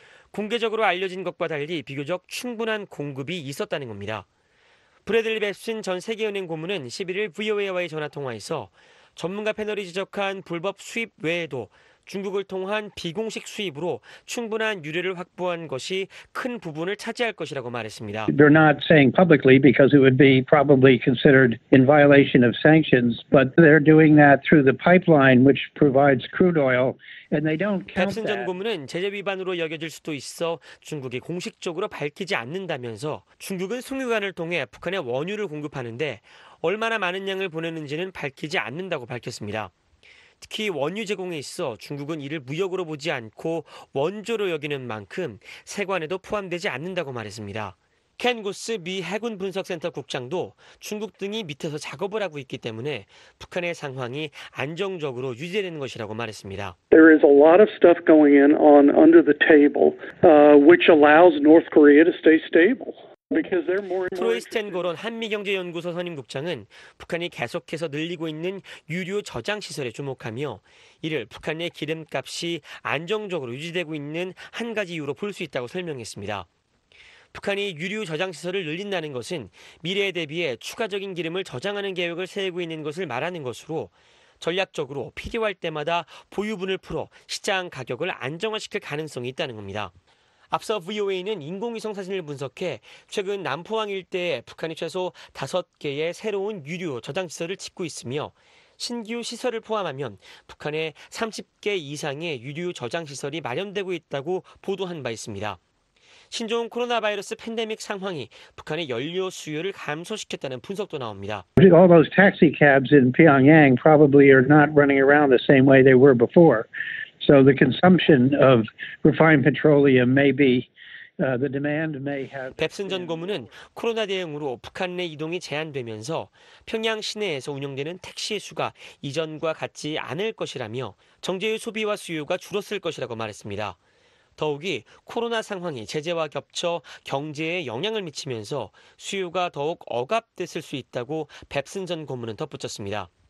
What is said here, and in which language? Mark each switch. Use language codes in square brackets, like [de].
[ko] 공개적으로 알려진 것과 달리 비교적 충분한 공급이 있었다는 겁니다. 브래들리 베슨 전 세계은행 고문은 11일 VOA와의 전화통화에서 전문가 패널이 지적한 불법 수입 외에도 중국을 통한 비공식 수입으로 충분한 유례를 확보한 것이 큰 부분을 차지할 것이라고 말했습니다. [en] They're not saying publicly because it would be probably considered in violation of sanctions, but they're doing that through the pipeline which provides crude oil and they don't count. [ko] 베슨 전 고문은 제재 위반으로 여겨질 수도 있어 중국이 공식적으로 밝히지 않는다면서 중국은 송유관을 통해 북한에 원유를 공급하는데 얼마나 많은 양을 보내는지는 밝히지 않는다고 밝혔습니다. 특히 원유 제공에 있어 중국은 이를 무역으로 보지 않고 원조로 여기는 만큼 세관에도 포함되지 않는다고 말했습니다. 켄 고스 미 해군 분석센터 국장도 중국 등이 밑에서 작업을 하고 있기 때문에 북한의 상황이 안정적으로 유지되는 것이라고 말했습니다. [en] There is a lot of stuff going in on under the table which allows North Korea to stay stable. [ko] 트로이스텐 고론 한미경제연구소 선임국장은 북한이 계속해서 늘리고 있는 유류 저장시설에 주목하며 이를 북한의 기름값이 안정적으로 유지되고 있는 한 가지 이유로 볼 수 있다고 설명했습니다. 북한이 유류 저장시설을 늘린다는 것은 미래에 대비해 추가적인 기름을 저장하는 계획을 세우고 있는 것을 말하는 것으로 전략적으로 필요할 때마다 보유분을 풀어 시장 가격을 안정화시킬 가능성이 있다는 겁니다. 앞서 VOA는 인공위성 사진을 분석해 최근 남포항 일대에 북한이 최소 5개의 새로운 유류 저장시설을 짓고 있으며 신규 시설을 포함하면 북한에 30개 이상의 유류 저장시설이 마련되고 있다고 보도한 바 있습니다. 신종 코로나 바이러스 팬데믹 상황이 북한의 연료 수요를 감소시켰다는 분석도 나옵니다. [en] All those taxi cabs in Pyongyang probably are not running around the same way they were before. So the consumption of refined petroleum may be the demand may have. [ko] 뎁슨 전 고문은 코로나 대응으로 북한 내 이동이 제한되면서 평양 시내에서 운영되는 택시 수가 이전과 같지 않을 것이라며 정제유 소비와 수요가 줄었을 것이라고 말했습니다. 더욱이 코로나 상황이 제재와 겹쳐 경제에 영향을 미치면서 수요가 더욱 억압됐을 수 있다고 뎁슨 전 고문은 덧붙였습니다.